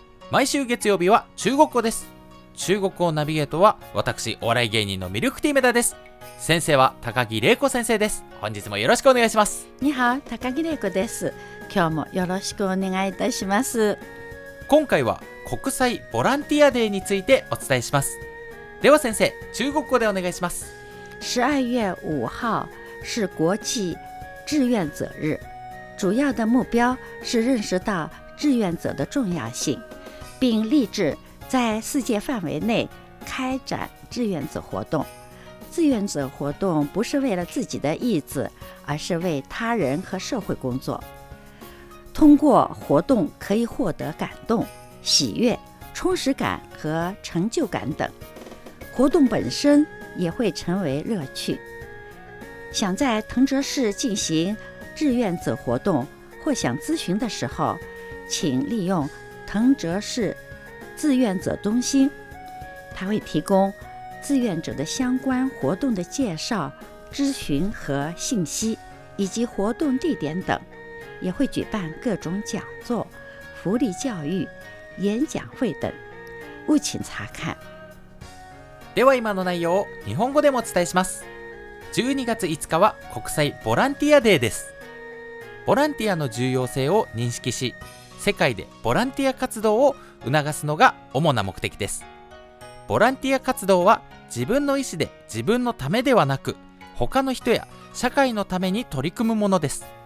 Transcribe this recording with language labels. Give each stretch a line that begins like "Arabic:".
Japanese: 毎週月曜日は中国語です。中国語ナビゲートは私お笑い芸人のミルクティーメダです。先生は高木玲子先生です。本日もよろしくお願いします。
Chinese: 你好、
Japanese: 高木玲子です。今日もよろしくお願いいたします。今回は国際ボランティアデーについてお伝えします。では先生、中国語でお願いします。
Chinese: 12月5号是国际志愿者日，主要的目标是认识到志愿者的重要性，并立志在世界范围内开展志愿者活动。志愿者活动不是为了自己的意志，而是为他人和社会工作。通过活动可以获得感动、喜悦、充实感和成就感等，活动本身也会成为乐趣。想在藤泽市进行志愿者活动或想咨询的时候，请利用藤泽市志愿者中心，它会提供志愿者的相关活动的介绍、咨询和信息，以及活动地点等，也会举办各种讲座、福利教育、演讲会等，务请查看。
Japanese: では今の内容を日本語でもお伝えします。12月5日は国際ボランティアデーです。ボランティアの重要性を認識し、世界でボランティア活動を促すのが主な目的です。ボランティア活動は自分の意思で自分のためではなく、他の人や社会のために取り組むものです。